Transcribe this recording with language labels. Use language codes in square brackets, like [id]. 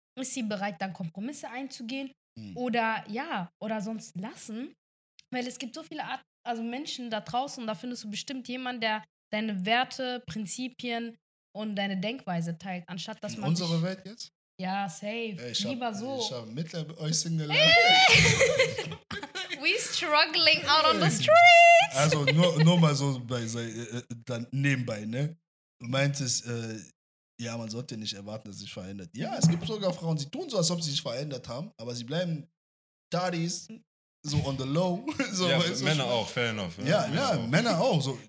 [de] Ist sie bereit, dann Kompromisse einzugehen? Oder ja, oder sonst lassen? Weil es gibt so viele Art, also Menschen da draußen, und da findest du bestimmt jemanden, der deine Werte, Prinzipien und deine Denkweise teilt, anstatt dass man... Unsere Welt jetzt? Ja, safe. Ey, lieber so. Ich habe mittlerweile euch Single. Hey! [en] We struggling out on the streets. [de] Also nur mal so dann nebenbei, ne? Meint es, ja, man sollte nicht erwarten, dass sich verändert. Ja, es gibt sogar Frauen, die tun so, als ob sie sich verändert haben, aber sie bleiben Daddies, [en] so on the low. [de] So, ja, weißt du, Männer auch, fair enough. Ja, ja, Männer auch. So.